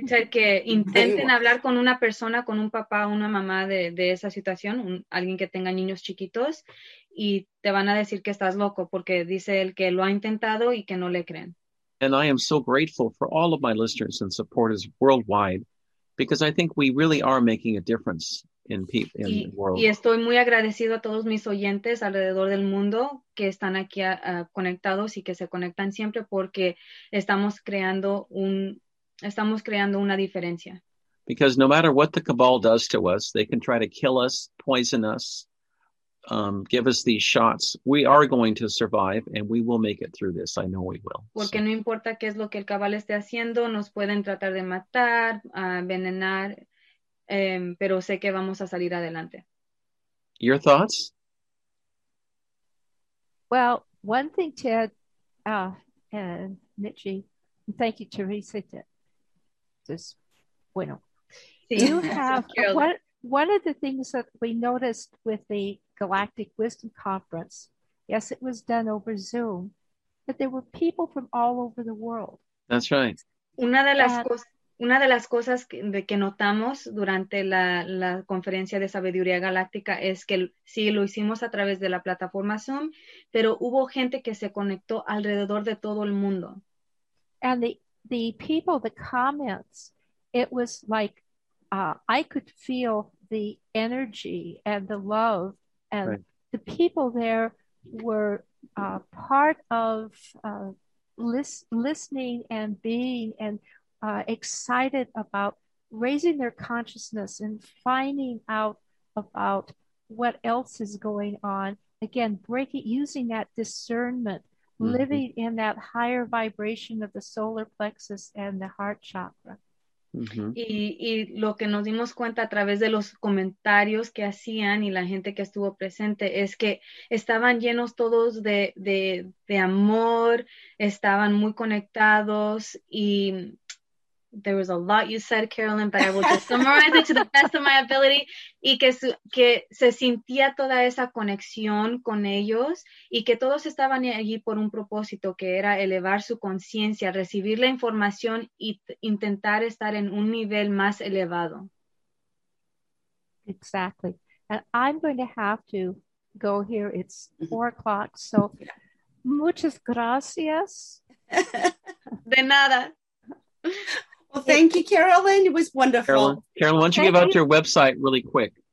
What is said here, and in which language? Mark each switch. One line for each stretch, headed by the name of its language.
Spanish: Que intenten hablar con una persona, con un papá o una mamá de esa situación, alguien que tenga niños chiquitos, y te van a decir que estás loco, porque dice él que lo ha intentado y que no le creen.
English: And I am so grateful for all of my listeners and supporters worldwide, because I think we really are making a difference in the world.
Spanish: Y estoy muy agradecido a todos mis oyentes alrededor del mundo que están aquí conectados y que se conectan siempre porque estamos creando una diferencia.
English: Because no matter what the cabal does to us, they can try to kill us, poison us, give us these shots. We are going to survive and we will make it through this. I know we will.
Spanish: Porque no importa qué es lo que el cabal esté haciendo, nos pueden tratar de matar, envenenar, pero sé que vamos a salir adelante.
English: Your thoughts? Well, one thing, Ted, and Mitchie, thank you, Teresa. You have one of the things that we noticed with the Galactic Wisdom Conference, yes, it was done over Zoom, but there were people from all over the world. That's right.
Spanish: Una de las cosas que notamos durante la conferencia de sabiduría galáctica es que sí, lo hicimos a través de la plataforma Zoom, pero hubo gente que se conectó alrededor de todo el mundo.
English: And the people, the comments, it was like I could feel the energy and the love. And the people there were part of listening and being and excited about raising their consciousness and finding out about what else is going on. Again, using that discernment, living in that higher vibration of the solar plexus and the heart chakra. Mm-hmm.
Spanish: Y lo que nos dimos cuenta a través de los comentarios que hacían y la gente que estuvo presente es que estaban llenos todos de amor, estaban muy conectados y
English: there was a lot you said, Carolyn, but I will just summarize it to the best of my ability,
Spanish: y que se sentía toda esa conexión con ellos y que todos estaban allí por un propósito, que era elevar su conciencia, recibir la información y intentar estar en un nivel más elevado.
English: Exactly. And I'm going to have to go here. It's 4:00, so
Spanish: muchas gracias. De nada.
English: Well, thank you, Carolyn. It was wonderful. Carolyn, why don't you give out your website really quick?